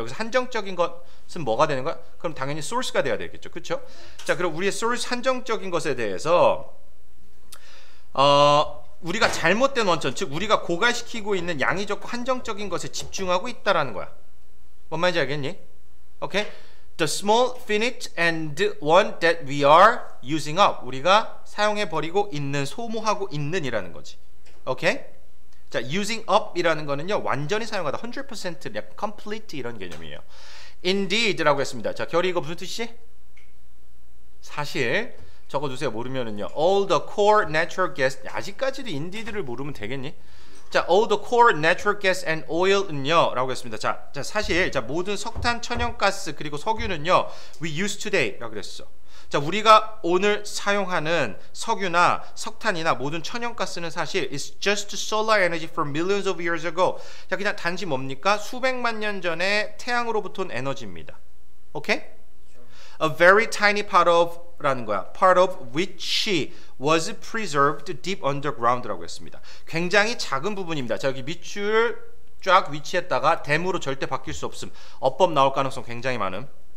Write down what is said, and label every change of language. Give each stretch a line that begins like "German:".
Korean: 여기서 한정적인 것은 뭐가 되는 거야? 그럼 당연히 source가 돼야 되겠죠. 그렇죠? 자, 그럼 우리의 source 한정적인 것에 대해서 우리가 잘못된 원천, 즉 우리가 고갈시키고 있는 양이 적고 한정적인 것에 집중하고 있다라는 거야. 뭔 말인지 알겠니? 오케이?
English: The small, finite and one that we are using up.
Korean: 우리가 사용해버리고 있는, 소모하고 있는이라는 거지. 오케이? 자, using up이라는 거는요, 완전히 사용하다,
English: 100% complete
Korean: 이런 개념이에요. Indeed라고 했습니다. 자, 결이 이거 무슨 뜻이? 사실 적어주세요. 모르면은요,
English: all the core natural gas.
Korean: 아직까지도 indeed를 모르면 되겠니? 자,
English: all the core natural gas and oil
Korean: 은요라고 했습니다. 자, 사실 모든 석탄, 천연가스 그리고 석유는요,
English: we use today
Korean: 라고 그랬어. 자, 우리가 오늘 사용하는 석유나 석탄이나 모든 천연가스는 사실
English: is just solar energy from millions of years ago.
Korean: 자, 그냥 단지 뭡니까? 수백만 년 전에 태양으로부터 온 에너지입니다.
English: 오케이? A very tiny part of
Korean: 라는 거야.
English: Part of which was preserved deep underground
Korean: 라고 했습니다. 굉장히 작은 부분입니다. 자, 여기 밑줄 쫙 위치했다가 댐으로 절대 바뀔 수 없음. 어법 나올 가능성 굉장히 많음.